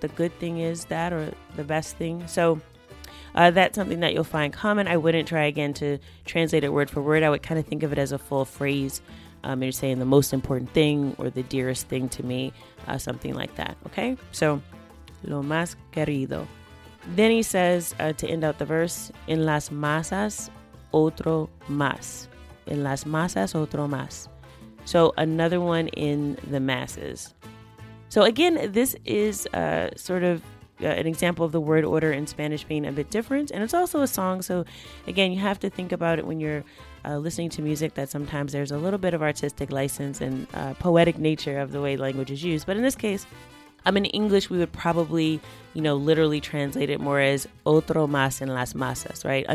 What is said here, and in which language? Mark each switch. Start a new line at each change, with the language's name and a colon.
English: The good thing is that or the best thing. So... that's something that you'll find common. I wouldn't try again to translate it word for word. I would kind of think of it as a full phrase. You're saying the most important thing or the dearest thing to me, something like that. Okay, so
Spanish: lo más querido.
English: Then he says to end out the verse,
Spanish: en las masas otro más. En las masas otro más.
English: So another one in the masses. So again, this is sort of an example of the word order in Spanish being a bit different, and it's also a song, so again you have to think about it when you're listening to music, that sometimes there's a little bit of artistic license and poetic nature of the way language is used. But in this case, in English we would probably, you know, literally translate it more as
Spanish: otro más en las masas,
English: right?